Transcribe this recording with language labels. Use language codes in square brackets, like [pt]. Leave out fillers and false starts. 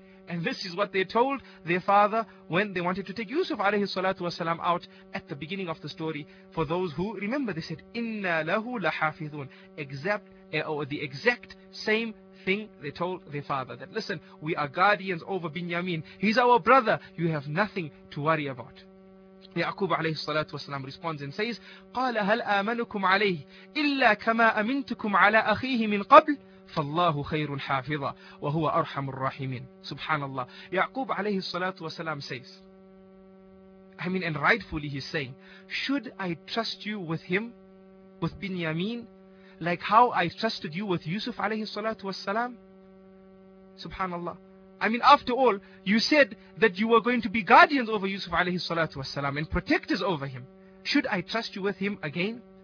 [en] And this is what they told their father when they wanted to take Yusuf alayhi salatu wasalam out at the beginning of the story. For those who remember, they said, [ar] إِنَّا لَهُ لَحَافِظٌ. [en] The exact same thing they told their father, that, listen, we are guardians over Binyamin. He's our brother. You have nothing to worry about. Ya'qub alayhi salatu wasalam responds and says, [ar] قَالَ هَلْ آمَنُكُمْ عَلَيْهِ إِلَّا كَمَا أَمِنْتُكُمْ عَلَىٰ أَخِيهِ مِنْ قَبْلِ فَاللَّهُ خَيْرُ الْحَافِظَ وَهُوَ أَرْحَمُ الرَّاحِمِينَ. [en] Subhanallah. Ya'qub alayhi salatu wasalam says, I mean, and rightfully he's saying, should I trust you with him, with Binyamin, like how I trusted you with Yusuf alayhi salatu wasalam? Subhanallah. I mean, after all, you said that you were going to be guardians over Yusuf alayhi salatu wasalam and protectors over him. Should I trust you with him again?